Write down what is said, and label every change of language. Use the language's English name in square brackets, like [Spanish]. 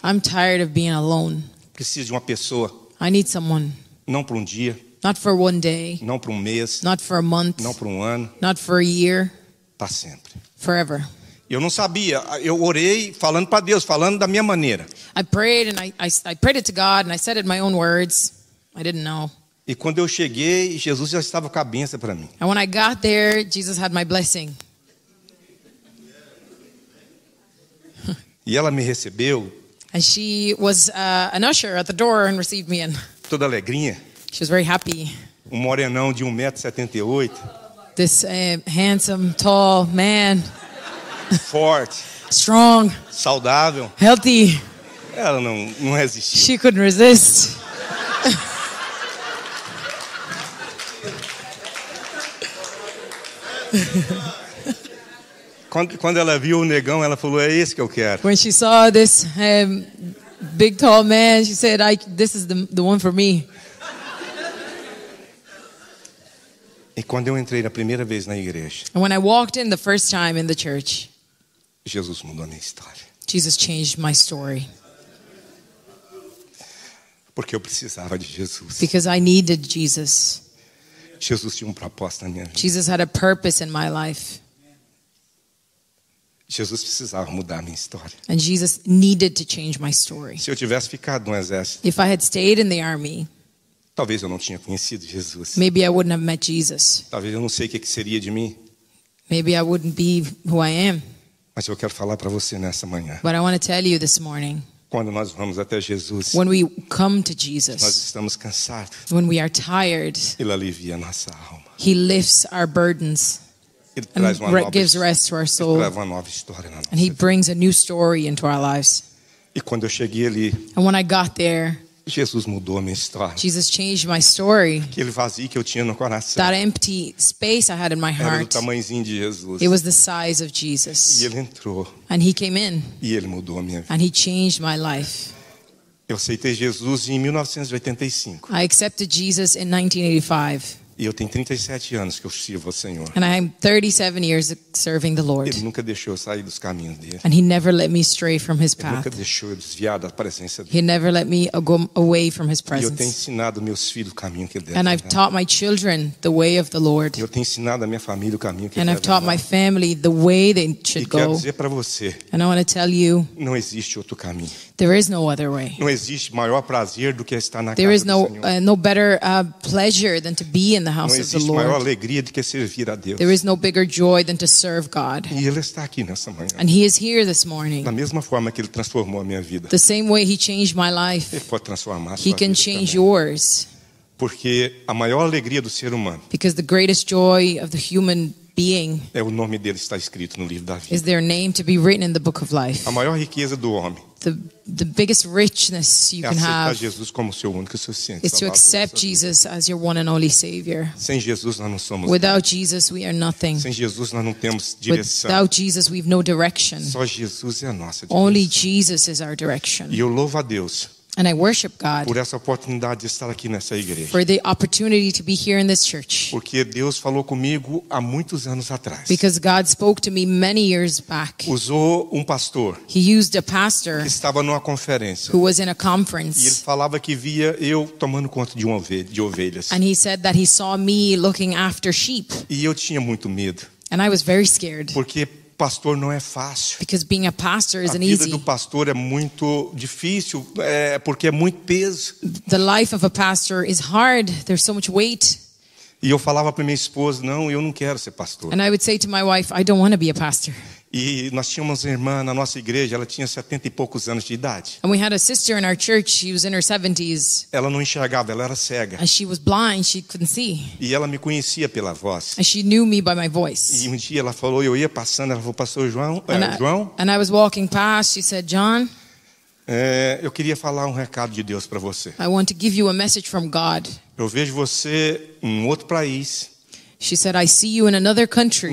[English] I'm tired of being alone. [Portuguese] Preciso de uma pessoa. [English] I need someone. [Portuguese] Não por um dia. [English] Not for one day. [Portuguese] Não por mês. [English] Not for a month. [Portuguese] Não por ano. [English] Not for a year. [Portuguese] Para sempre. [English] Forever. [Portuguese] Eu não sabia. Eu orei falando para Deus, falando da minha maneira. [English] I prayed and I prayed it to God and I said it in my own words. I didn't know. [Portuguese] E quando eu cheguei, Jesus já estava com a bênção para mim. [English] And when I got there, Jesus had my blessing. [Portuguese] E ela me recebeu. [English] And she was an usher at the door and received me in. [Portuguese] Toda alegrinha. [English] She was very happy. [Portuguese] Um morenão de 1.78 m. [English] This handsome, tall man. [Portuguese] Forte. [English] Strong. [Portuguese] Saudável. [English] Healthy. [Portuguese] Ela não resistiu. [English] She couldn't resist. [Portuguese] Quando ela viu o negão, ela falou, é esse que eu quero. [English] When she saw this big, tall man, she said, this is the one for me. [Portuguese] E quando eu entrei na primeira vez na igreja, [English] and when I walked in the first time in the church, [Portuguese] Jesus mudou a minha história. [English] Jesus changed my story. [Portuguese] Porque eu precisava de Jesus. [English] Because I needed Jesus. [Portuguese] Jesus tinha um propósito na minha vida. [English] Jesus had a purpose in my life. [Portuguese] Jesus precisava mudar a minha história. [English] And Jesus needed to change my story. [Portuguese] Se eu tivesse ficado no exército, [English] if I had stayed in the army, [Portuguese] talvez eu não tinha conhecido Jesus. [English] Maybe I wouldn't have met Jesus. [Portuguese] Talvez eu não sei o que seria de mim. [English] Maybe I wouldn't be who I am. [Portuguese] Mas eu quero falar para você nessa manhã. [English] But I want to tell you this morning. [Portuguese] Quando nós vamos até Jesus, [English] when we come to Jesus, [Portuguese] nós estamos cansados. [English] When we are tired, [Portuguese] Ele alivia nossa alma. [English] He lifts our burdens. And gives rest to our soul. And He brings a new story into our lives. [Portuguese] E quando eu cheguei ali, [English] and when I got there, [Portuguese] Jesus mudou a minha história. [English] Jesus changed my story. [Portuguese] Aquele vazio que eu tinha no coração, [English] that empty space I had in my heart, [Portuguese] era do tamanhozinho de Jesus. [English] It was the size of Jesus. [Portuguese] E ele entrou, [English] and He came in. [Portuguese] E ele mudou a minha vida. [English] And He changed my life. [Portuguese] Eu aceitei Jesus em 1985. [English] I accepted Jesus in 1985. [Portuguese] E eu tenho 37 anos que eu sirvo ao Senhor. [English] And I'm 37 years serving the Lord. [Portuguese] Ele nunca deixou eu sair dos caminhos dele. [English] And He never let me stray from His path. [Portuguese] Ele nunca deixou eu desviar da presença dele. [English] He never let me go away from His presence. [Portuguese] E eu tenho ensinado meus filhos o caminho que ele deve andar. [English] And I've taught my children the way of the Lord. [Portuguese] E eu tenho ensinado a minha família o caminho que ele deve andar. [English] And I've taught my family the way they should go. [Portuguese] E quero dizer para você. [English] And I want to tell you. [Portuguese] Não existe outro caminho. [English] There is no other way. [Portuguese] Não existe maior prazer do que estar na casa do Senhor. [English] There is no better pleasure than to be in the the house of the Lord. [Portuguese] Não existe maior alegria do que servir a Deus. [English] There is no bigger joy than to serve God. [Portuguese] E ele está aqui nessa manhã. [English] And he is here this morning. [Portuguese] Da mesma forma que ele transformou a minha vida. [English] The same way he changed my life. [Portuguese] Ele pode transformar a sua vida. [English] He can change yours. [Portuguese] Porque a maior alegria do ser humano. [English] Because the greatest joy of the human being. [Portuguese] É o nome dele está escrito no livro da vida. [English] Is their name to be written in the book of life. [Portuguese] A maior riqueza do homem. [English] The biggest richness you can have [Portuguese] Jesus como seu único suficiente, [English] is to accept Jesus as your one and only Savior. [Portuguese] Sem Jesus, nós não somos [English] without [Portuguese] nada. [English] Jesus, we are nothing. [Portuguese] Sem Jesus, nós não temos direção. [English] Without Jesus, we have no direction. [Portuguese] Só Jesus é a nossa direção. [English] Only Jesus is our direction. [Portuguese] E eu louvo a Deus. [English] And I worship God [Portuguese] por essa oportunidade de estar aqui nessa igreja. [English] For the opportunity to be here in this church. [Portuguese] Porque Deus falou comigo há muitos anos atrás. [English] Because God spoke to me many years back. [Portuguese] Usou pastor. [English] He used a pastor. [Portuguese] Que estava numa conferência. [English] Who was in a conference. [Portuguese] E ele falava que via eu tomando conta de ovelhas. [English] And he said that he saw me looking after sheep. [Portuguese] E eu tinha muito medo. [English] And I was very scared. [Portuguese] Porque pastor não é fácil. [English] Because being a pastor isn't easy. [Portuguese] A vida do pastor é muito difícil, porque é muito peso. [English] The life of a pastor is hard. There's so much weight. [Portuguese] E eu falava para minha esposa, não, eu não quero ser pastor. [English] And I would say to my wife, I don't want to be a pastor. [Portuguese] E nós tínhamos uma irmã na nossa igreja, ela tinha 70 e poucos anos de idade. [English] And we had a sister in our church, she was in her 70s. [Portuguese] Ela não enxergava, ela era cega. [English] And she was blind, she couldn't see. [Portuguese] E ela me conhecia pela voz. [English] And she knew me by my voice. [Portuguese] E um dia ela falou, eu ia passando, ela falou, pastor João, João. [English] And I was walking past, she said, John. [Portuguese] Eu queria falar um recado de Deus para você. [English] I want to give you a message from God. [Portuguese] Eu vejo você em outro país. [English] She said, I see you in another country.